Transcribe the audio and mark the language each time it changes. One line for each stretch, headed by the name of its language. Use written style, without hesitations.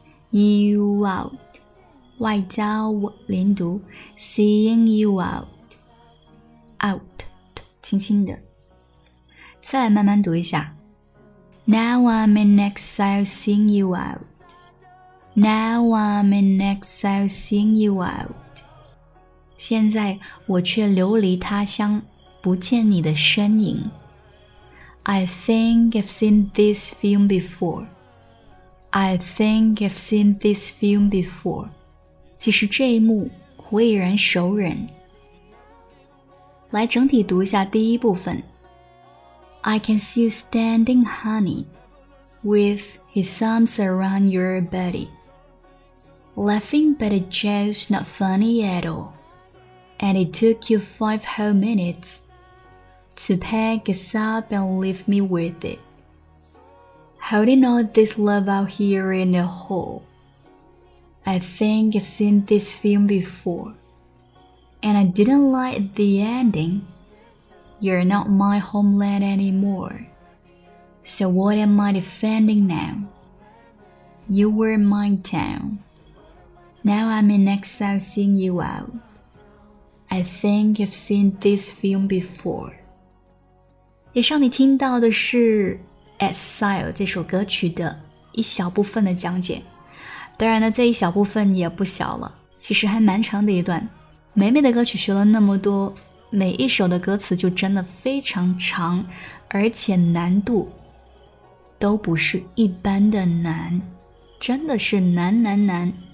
English: you out,
Chinese: 外加我连读
English: Seeing you out, out,
Chinese: 轻轻的再来慢慢读一下
English: Now I'm in exile, seeing you out. Now I'm in exile seeing you out.
Chinese: 现在我却流离他乡不见你的身影。
English: I think I've seen this film before.
Chinese: 其实这一幕我已然熟人。来整体读一下第一部分。
English: I can see you standing, honey, with his arms around your body. Laughing but a joke's not funny at all. And it took you 5 whole minutes to pack us up and leave me with it. Holding all this love out here in the hall. I think I've seen this film before. And I didn't like the ending. You're not my homeland anymore. So what am I defending now? You were my town. Now I'm in exile seeing you out. I think I've seen this film before.
Chinese: 以上你听到的是 Exile 这首歌曲的一小部分的讲解。当然呢，这一小部分也不小了，其实还蛮长的一段。美美的歌曲学了那么多，每一首的歌词就真的非常长，而且难度都不是一般的难，真的是难难难。